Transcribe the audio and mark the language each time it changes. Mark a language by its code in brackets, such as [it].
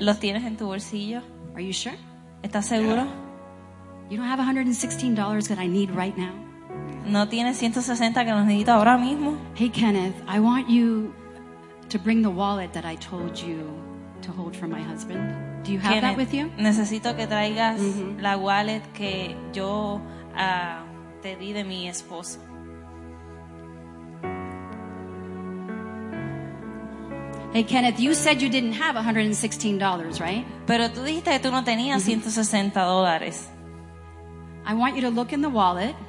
[es] ¿Los tienes en tu bolsillo? [en] Are you sure? [es] ¿Estás seguro? [en] You don't have $116 that I need right now. [es] ¿No tienes 160 que los necesito ahora mismo? [en] Hey Kenneth, I want you to bring the wallet that I told you to hold for my husband. Do you have that with you? [es] Necesito que traigas la wallet que yo te di de mi esposo. [en] Hey Kenneth, you said you didn't have $116, right? [es] Pero tú dijiste que tú no tenías $160. [en] I want you to look in the wallet.